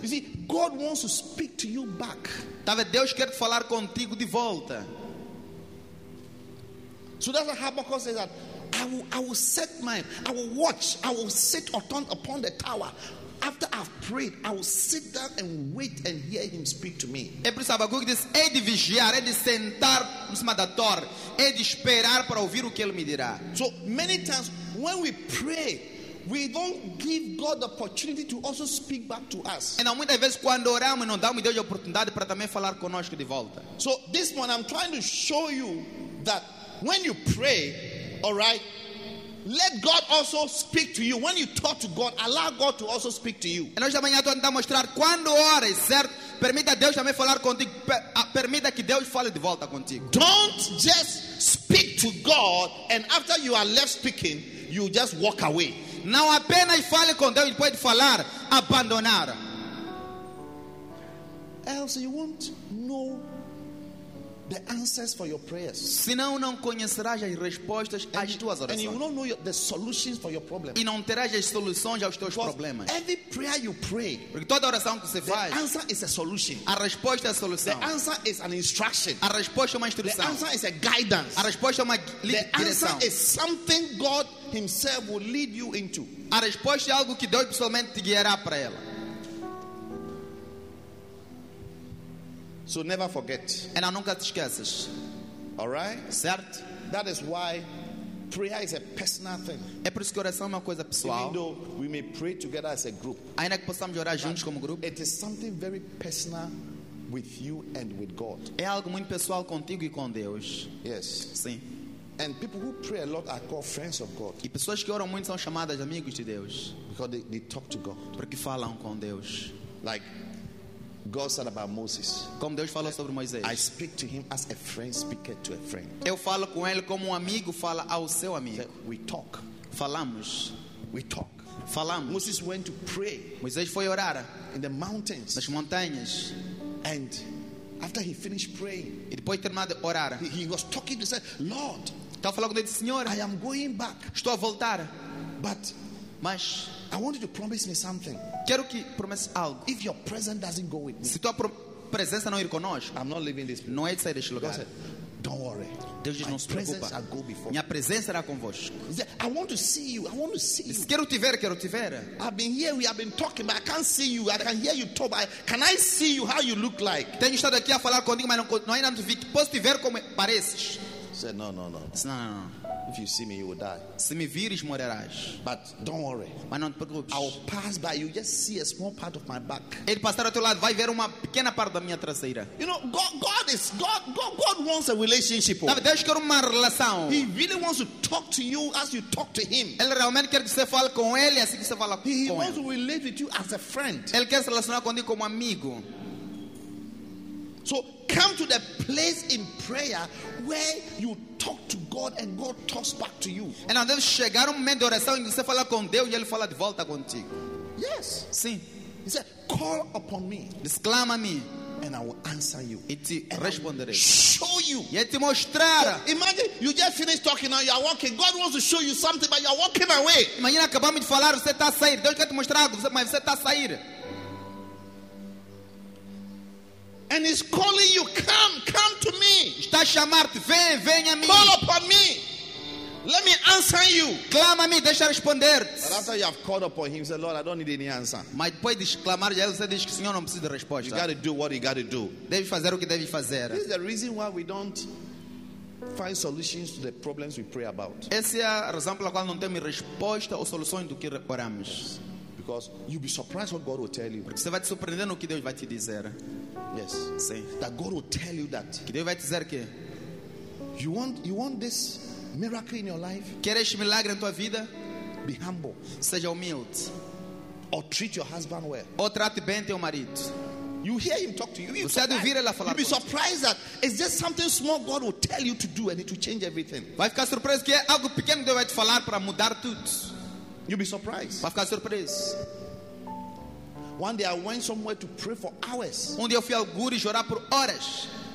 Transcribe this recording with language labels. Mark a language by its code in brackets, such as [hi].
[en] You see, God wants to speak to you back. [pt] Deus quer falar contigo de volta. [en] So that's what Habakkuk says, that I will set my, I will watch, I will sit upon the tower. After I've prayed, I will sit down and wait and hear him speak to me. [pt] É por isso que Habakkuk diz, é de vigiar, é de sentar em cima da torre, é de esperar para ouvir o que ele me dirá. [en] So many times when we pray, we don't give God the opportunity to also speak back to us. [pt] E muitas vezes quando oramos não damos Deus a oportunidade para também falar conosco de volta. [en] So this morning I'm trying to show you that when you pray, all right, let God also speak to you. When you talk to God, allow God to also speak to you. [pt] E hoje de manhã estou tentando mostrar quando ora, certo? Permita Deus também falar contigo. Permita que Deus fale de volta contigo. [en] Don't just speak to God and after you are left speaking, you just walk away. [pt] Não apenas fale com Deus e depois de falar, abandonar. [en] Else you won't know the answers for your prayers. [pt] Senão não conhecerás as respostas às tuas orações. [en] And you won't know the solutions for your problem. [pt] E não terás as soluções aos teus problemas. [en] Every prayer you pray, [pt] porque toda oração que você faz, [en] the answer is a solution. [pt] A resposta é a solução. [en] The answer is an instruction. [pt] A resposta é uma instrução. [en] The answer is a guidance. [pt] A resposta é uma direção. [en] The answer is something God himself will lead you into. [pt] A resposta é algo que Deus pessoalmente te guiará para ela. [en] So never forget. And I [pt] nunca te esqueças. [en] All right? [pt] Certo? [en] That is why prayer is a personal thing. [pt] É por isso que oração é uma coisa pessoal. [en] Even though we may pray together as a group. [pt] Ainda que possamos orar juntos como grupo. [en] It is something very personal with you and with God. [pt] É algo muito pessoal contigo e com Deus. [en] Yes. [pt] Sim. [en] And people who pray a lot are called friends of God. [pt] E pessoas que oram muito são chamadas amigos de Deus. [en] Because they talk to God. [pt] Porque falam com Deus. [en] Like God said about Moses. [pt] Como Deus falou sobre Moisés. [en] I speak to him as a friend speaks to a friend. [pt] Eu falo com ele como amigo fala ao seu amigo. [en] We talk. [pt] Falamos. [en] We talk. [pt] Falamos. [en] Moses went to pray. [pt] Moisés foi orar [en] in the mountains. [pt] Nas montanhas. [en] And after he finished praying, [pt] e depois terminou de orar, [en] he was talking to say, Lord, [pt] tá falando com ele, Senhor, [en] I am going back. [pt] Estou a voltar. [en] But [pt] mas [en] I want you to promise me something. [pt] Quero que promesse algo. [en] If your presence doesn't go with me, [pt] se tua presença não ir conosco, [en] I'm not leaving this place. [pt] Não é de sair deste lugar. [en] Said, don't worry. [pt] Deus diz, [en] my [pt] não se preocupa. [en] Shall go before. [pt] Minha presença será convosco. [en] Said, I want to see you. I want to see you. [pt] Quero te ver, quero te ver. [en] I've been here, we have been talking, but I can't see you. I can hear you talk, but can I see you how you look like? [pt] Tenho estado aqui a falar contigo, mas não ainda te vi. Posso te ver como pareces? [en] Said, no. If you see me, you will die. [pt] Se me vires, morrerás. [en] But don't worry. [pt] Mas não te preocupes. [en] I will pass by. You just see a small part of my back. [pt] Ele passará ao teu lado, vai ver uma pequena parte da minha traseira. [en] You know, God wants a relationship. [pt] Deus quer uma relação. [en] He really wants to talk to you as you talk to him. [pt] Ele realmente quer que você fale com ele assim que você fala com ele. [en] He wants to relate with you as a friend. [pt] Ele quer se relacionar contigo como amigo. [en] So come to the place in prayer where you talk to God and God talks back to you. And then [pt] chegar um momento de oração em que você fala com Deus e ele fala de volta contigo. [en] Yes. [pt] Sim. [en] He said, call upon me. [pt] Exclama a mim. [en] And I will answer you. [pt] E te responderei. [en] Show you. [pt] E te mostrar. [en] So imagine you just finished talking now, you are walking. God wants to show you something, but you are walking away. [pt] Imagina acabamos de falar, você está a sair. Deus quer te mostrar algo, mas você está a sair. [en] And he's calling you, come to me. [pt] Está chamando, vem a mim. [en] Call upon me. Let me answer you. [pt] Clama a mim, deixa eu responder. [en] But after you have called upon him, he said, Lord, I don't need any answer. [pt] Mas depois de clamar, ele diz que o Senhor não precisa de resposta. [en] You got to do what you got to do. [pt] Deve fazer o que deve fazer. [en] This is the reason why we don't find solutions to the problems we pray about. [pt] Essa é a razão pela qual não temos resposta ou soluções do que oramos. [en] Because you'll be surprised what God will tell you. [pt] Porque você vai te surpreender no que Deus vai te dizer. [en] Yes. [pt] Sim. [en] That God will tell you that. [pt] Que Deus vai te dizer que [en] you want this miracle in your life? [pt] Quer este milagre em tua vida? [en] Be humble. [pt] Seja humilde. [en] Or treat your husband well. [pt] Ou trate bem teu marido. [en] You hear him talk to you. [pt] Você ouvir ele falar. [en] You'll be surprised that it's just something small God will tell you to do and it will change everything. [pt] Vai ficar surpreso que é algo pequeno Deus vai te falar para mudar tudo. [en] You'll be surprised. [pt] Vai ficar surpreso. [en] One day I went somewhere to pray for hours. [pt] Um dia eu fui ao lugar e chorar por horas.